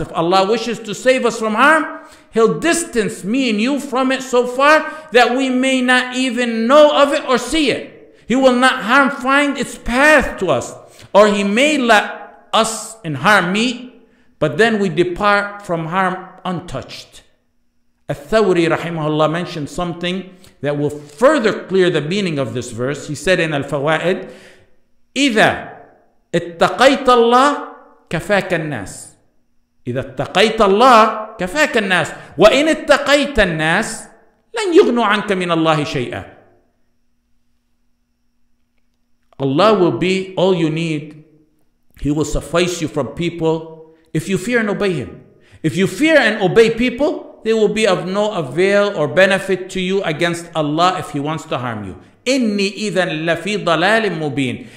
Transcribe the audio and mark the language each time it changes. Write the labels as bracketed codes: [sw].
[en] If Allah wishes to save us from harm, He'll distance me and you from it so far that we may not even know of it or see it. He will not harm find its path to us. Or He may let us and harm me, but then we depart from harm untouched. Al-Thawri rahimahullah mentioned something that will further clear the meaning of this verse. He said in Al-Fawa'id, [ar] إِذَا اتَّقَيْتَ اللَّهِ كَفَاكَ النَّاسِ. إذا اتقيت الله كفاك الناس وإن اتقيت الناس لن يغنوا عنك من الله شيئا. [en] Allah will be all you need. He will suffice you from people if you fear and obey Him. If you fear and obey people, they will be of no avail or benefit to you against Allah if He wants to harm you. [ar] إني إذا لفي ضلال مبين.